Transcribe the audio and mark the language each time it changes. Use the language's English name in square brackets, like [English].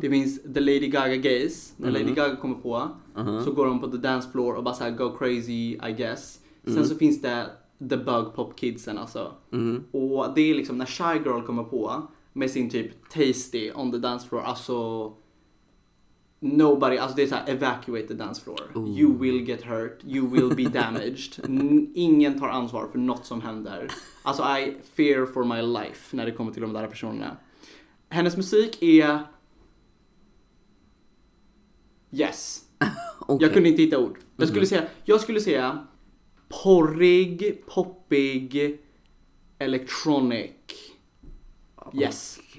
[Swedish] Det finns the Lady Gaga gays. När Lady Gaga kommer på, så går de på the dance floor och bara så här, go crazy, I guess. Sen så finns det the bug pop kidsen alltså. Och det är liksom när Shy Girl kommer på med sin typ Tasty on the dance floor, alltså nobody, alltså det är så här, evacuate the dance floor. Ooh. [English] You will get hurt, you will be damaged. [Swedish] Ingen tar ansvar för något som händer. Alltså I fear for my life när det kommer till de där personerna. Hennes musik är yes. [English] Okay. [Swedish] Jag kunde inte hitta ord. Jag skulle säga porrig, poppig, electronic. Yes.